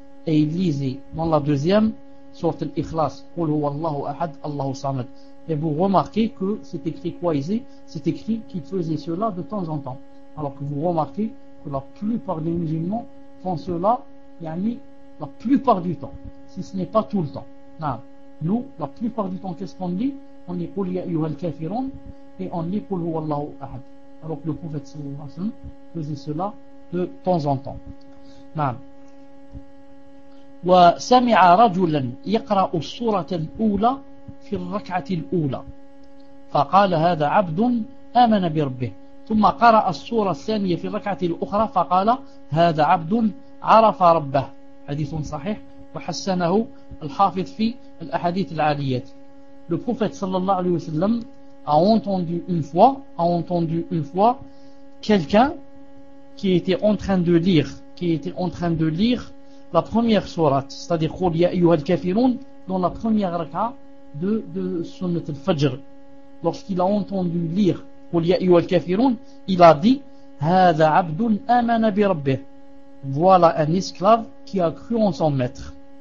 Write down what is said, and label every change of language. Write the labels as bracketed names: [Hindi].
[French] Et il lisait dans la deuxième, Sourate al-Ikhlas, [Arabic] Qul huwa Allahu ahad, Allahu samad. [French] Et vous remarquez que c'est écrit quoi ici? C'est écrit qu'il faisait cela de temps en temps. Alors que vous remarquez que la plupart des musulmans font cela, yani, la plupart du temps, si ce n'est pas tout le temps. [Arabic] نعم نو لا [French] plupart du temps qu'est-ce qu'on dit on dit [Arabic] qul ya ayyuha al-kafirun [French] et on dit [Arabic] qul huwa Allahu ahad [French] alors que le prophète sallallahu alayhi wa sallam faisait cela de temps en temps [Arabic] نعم وسمع رجلا يقرا السوره الاولى في الركعه الاولى فقال هذا عبد امن بربه ثم قرا السوره الثانيه في الركعه الاخرى فقال هذا عبد عرف ربه حديث صحيح وحسنه الحافظ في الأحاديث العالية. [French] Le prophète sallallahu alayhi wa sallam a entendu une fois quelqu'un qui était en train de lire la première sourate, c'est-à-dire [Arabic] قل يا أيها الكافرون [French] dans la première raka de sunnat al-fajr, lorsqu'il a entendu lire [Arabic] qul ya ayyuhal kafirun, [French] il a dit [Arabic] hadha 'abdun amana bi rabbih, [French] voilà un esclave qui a cru en son maître.